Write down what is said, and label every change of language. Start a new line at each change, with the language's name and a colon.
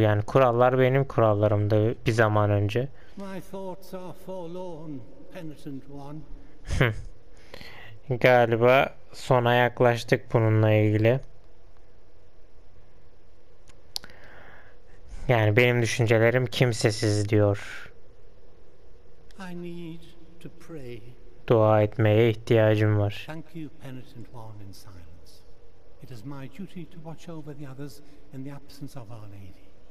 Turkish: Yani kurallar benim kurallarımdı bir zaman önce.
English: My thoughts are forlorn, penitent one.
Turkish: Galiba sona yaklaştık bununla ilgili. Yani benim düşüncelerim kimsesiz diyor.
English: I need to pray.
Turkish: Dua etmeye ihtiyacım var.
English: Thank you, penitent one, in silence. It is my duty to watch over the others in the absence of Our Lady.